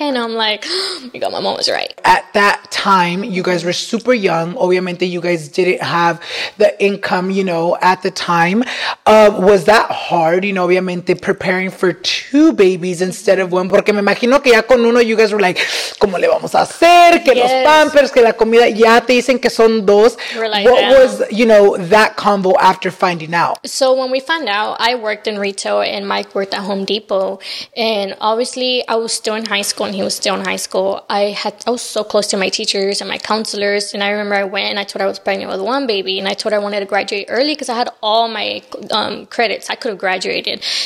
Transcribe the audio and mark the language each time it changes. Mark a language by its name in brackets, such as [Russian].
[English] And I'm like, oh my God, my mom was right. At that time, you guys were super young. [Spanish] Obviamente, [English] you guys didn't have the income, you know, at the time. Was that hard, you know, [Spanish] obviamente, [English] preparing for two babies instead of one? [Spanish] Porque me imagino que ya con uno, [English] you guys were like, [Spanish] ¿cómo le vamos a hacer? Que [English] yes. [Spanish] Los pampers, que la comida, ya te dicen que son dos. [English] Like, what was, you know, that combo after finding out? So when we found out, I worked in retail and Mike worked at Home Depot. And obviously, I was still in high school and he was still in high school. I was so close to my teachers and my counselors, and I remember I went and I told her I was pregnant with one baby, and I told her I wanted to graduate early because I had all my credits. I could have graduated.